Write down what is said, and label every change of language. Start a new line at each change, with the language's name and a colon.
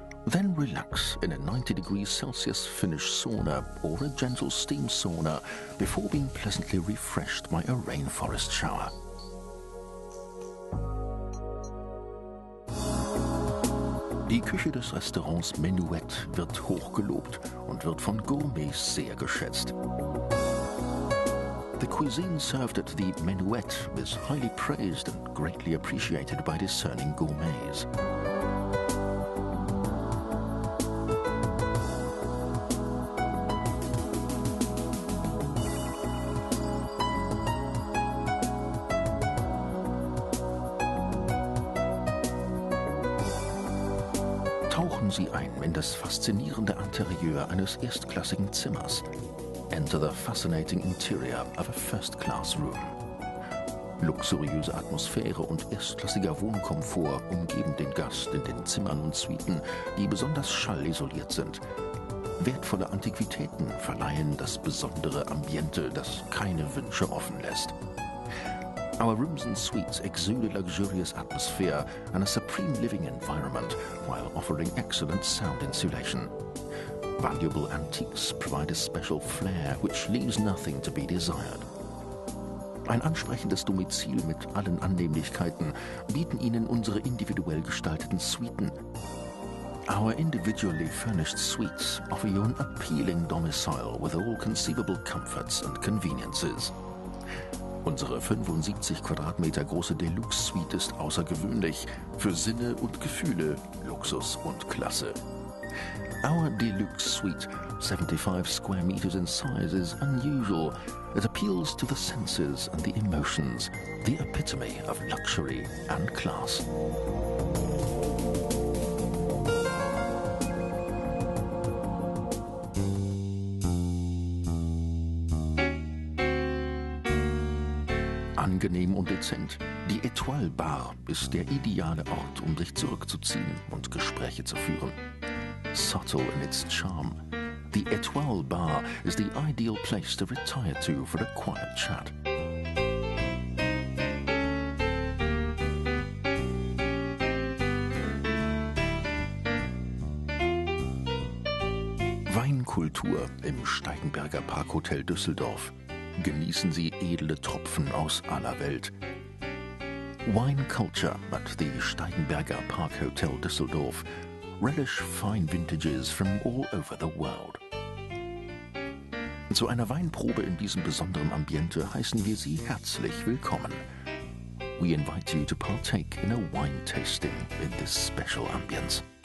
English: Then relax in a 90 degrees Celsius Finnish sauna or a gentle steam sauna before being pleasantly refreshed by a rainforest shower.
German: Die Küche des Restaurants Menuet wird hochgelobt und wird von Gourmets sehr geschätzt.
English: The cuisine served at the Menuet is highly praised and greatly appreciated by discerning gourmets.
German: Sie ein in das faszinierende Interieur eines erstklassigen Zimmers.
English: Enter the fascinating interior of a first-class room.
German: Luxuriöse Atmosphäre und erstklassiger Wohnkomfort umgeben den Gast in den Zimmern und Suiten, die besonders schallisoliert sind. Wertvolle Antiquitäten verleihen das besondere Ambiente, das keine Wünsche offen lässt.
English: Our rooms and suites exude a luxurious atmosphere and a supreme living environment while offering excellent sound insulation. Valuable antiques provide a special flair which leaves nothing to be desired.
German: Ein ansprechendes Domizil mit allen Annehmlichkeiten bieten Ihnen unsere individuell gestalteten Suiten.
English: Our individually furnished suites offer you an appealing domicile with all conceivable comforts and conveniences.
German: Unsere 75 Quadratmeter große Deluxe-Suite ist außergewöhnlich für Sinne und Gefühle, Luxus und Klasse.
English: Our Deluxe-Suite, 75 square meters in size, is unusual. It appeals to the senses and the emotions, the epitome of luxury and class.
German: angenehm und dezent. Die Etoile Bar ist der ideale Ort, um sich zurückzuziehen und Gespräche zu führen.
English: Subtle in its charm. The Etoile Bar is the ideal place to retire to for a quiet chat.
German: Weinkultur im Steigenberger Parkhotel Düsseldorf. Genießen Sie edle Tropfen aus aller Welt.
English: Wine Culture at the Steigenberger Parkhotel Düsseldorf. Relish fine vintages from all over the world.
German: Zu einer Weinprobe in diesem besonderen Ambiente heißen wir Sie herzlich willkommen.
English: We invite you to partake in a wine tasting in this special ambience.